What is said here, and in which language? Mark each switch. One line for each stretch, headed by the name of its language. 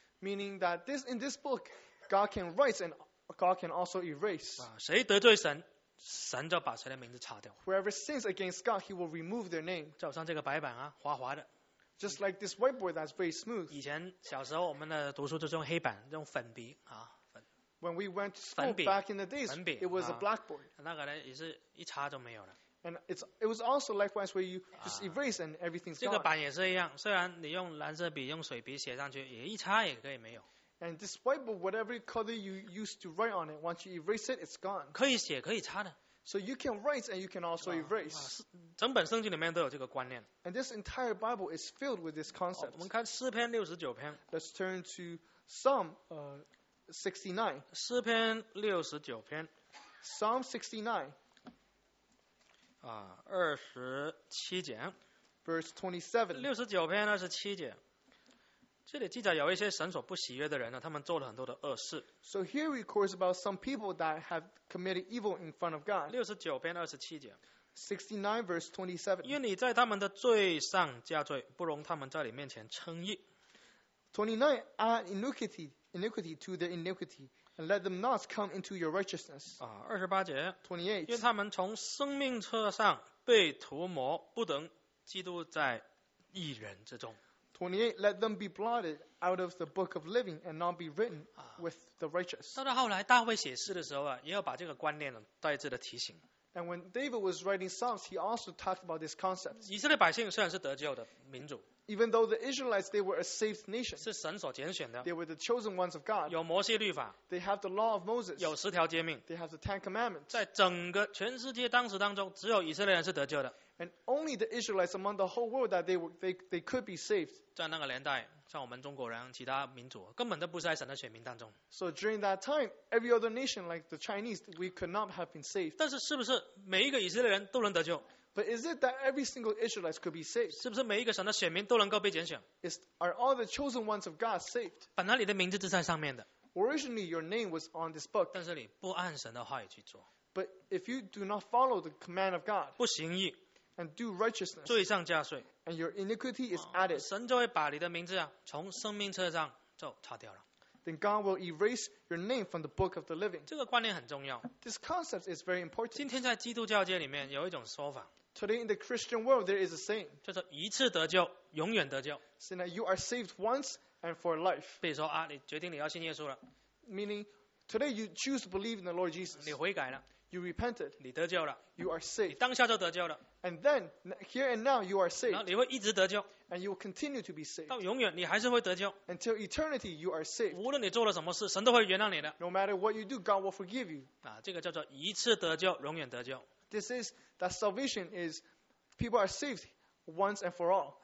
English: Meaning that in this book, God can write and God can also erase.
Chinese: 谁得罪神，神就把谁的名字擦掉。
English: Whoever sins against God, he will remove their name.
Chinese: 就像这个白板啊，滑滑的。
English: Just like this whiteboard that's very smooth.
Chinese: 以前小时候我们的读书就是用黑板，用粉笔啊。
English: When we went to school back in the days, it was a blackboard.
Chinese: 那个呢也是一擦就没有了。
English: And it was also likewise where you just erase and everything's gone.
Chinese: 这个板也是一样，虽然你用蓝色笔、用水笔写上去，也一擦也可以没有。
English: And this whiteboard, whatever color you used to write on it, once you erase it, it's gone.
Chinese: 可以写，可以擦的。
English: So you can write and you can also erase.
Chinese: 整本圣经里面都有这个观念。
English: And this entire Bible is filled with this concept.
Chinese: 我们看诗篇六十九篇。
English: Let's turn to Psalm 69.
Chinese: 诗篇六十九篇。
English: Psalm 69.
Chinese: 二十七节。
English: Verse 27.
Chinese: 六十九篇二十七节。这里记载有一些神所不喜悦的人呢，他们做了很多的恶事。
English: So here we record about some people that have committed evil in front of God.
Chinese: 六十九篇二十七节。
English: 69 verse 27.
Chinese: 因为你在他们的罪上加罪，不容他们在你面前称义。
English: 29 add iniquity to their iniquity, and let them not come into your righteousness.
Chinese: 二十八节。
English: 28.
Chinese: 因为他们从生命册上被涂抹，不能记录在义人之中。
English: 28. Let them be blotted out of the book of living and not be written with the righteous.
Chinese: 到了后来，大卫写诗的时候啊，也有把这个观念呢，再次的提醒。
English: And when David was writing songs, he also talked about this concept.
Chinese: 以色列百姓虽然是得救的民族。
English: Even though the Israelites, they were a saved nation.
Chinese: 是神所拣选的。
English: They were the chosen ones of God.
Chinese: 有摩西律法。
English: They have the law of Moses.
Chinese: 有十条诫命。
English: They have the Ten Commandments.
Chinese: 在整个全世界当时当中，只有以色列人是得救的。
English: And only the Israelites among the whole world that they could be saved.
Chinese: 在那个年代，像我们中国人，其他民族根本都不是在神的选民当中。
English: So during that time, every other nation like the Chinese, we could not have been saved.
Chinese: 但是是不是每一个以色列人都能得救？
English: But is it that every single Israelite could be saved?
Chinese: 是不是每一个神的选民都能够被拣选？
English: Are all the chosen ones of God saved?
Chinese: 本来你的名字是在上面的。
English: Originally, your name was on this book.
Chinese: 但是你不按神的话语去做。
English: But if you do not follow the command of God,
Chinese: 不行义
English: and do righteousness,
Chinese: 罪上加罪
English: and your iniquity is added,
Chinese: 神就会把你的名字从生命册上就擦掉了。
English: Then God will erase your name from the book of the living.
Chinese: 这个观念很重要。
English: This concept is very important.
Chinese: 今天在基督教界里面有一种说法。
English: Today in the Christian world, there is a saying.
Chinese: 就是一次得救，永远得救。
English: Saying that you are saved once and for life.
Chinese: 比如说啊，你决定你要信耶稣了。
English: Meaning, today you choose to believe in the Lord Jesus.
Chinese: 你悔改了。
English: You repented.
Chinese: 你得救了。
English: You are saved.
Chinese: 你当下就得救了。
English: And then, here and now, you are saved.
Chinese: 然后你会一直得救。
English: And you will continue to be saved.
Chinese: 到永远你还是会得救。
English: Until eternity, you are saved.
Chinese: 无论你做了什么事，神都会原谅你的。
English: No matter what you do, God will forgive you.
Chinese: 啊，这个叫做一次得救，永远得救。
English: This is that salvation is people are saved once and for all.